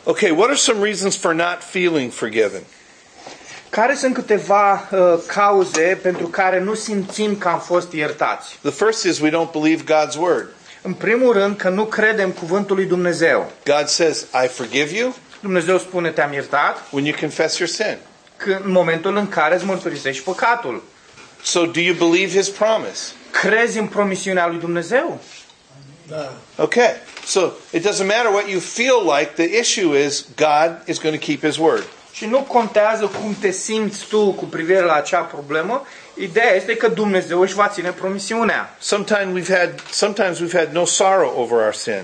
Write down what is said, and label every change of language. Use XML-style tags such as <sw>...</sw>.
<en>Okay, what are some reasons for not feeling forgiven?</en> <ro>Care sunt câteva cauze pentru care nu simțim că am fost iertați?</ro> <en>The first is we don't believe God's word.</en> <ro>În primul rând că nu credem cuvântul lui Dumnezeu.</ro> <en>God says, "I forgive you."</en> <ro>Dumnezeu spune: "Te-am iertat."</ro> <en>When you confess your sin.</en> <ro>În momentul în care îți mărturisești păcatul.</ro> <en>So do you believe his promise?</en> <ro>Crezi în promisiunea lui Dumnezeu?</ro> <en>Da. Okay. So it doesn't matter what you feel like, the issue is God is going to keep his word.</en> <ro>Și nu contează cum te simți tu cu privire la acea problemă. Ideea este că Dumnezeu își va ține promisiunea.</ro> <en>Sometimes we've had no sorrow over our sin.</en>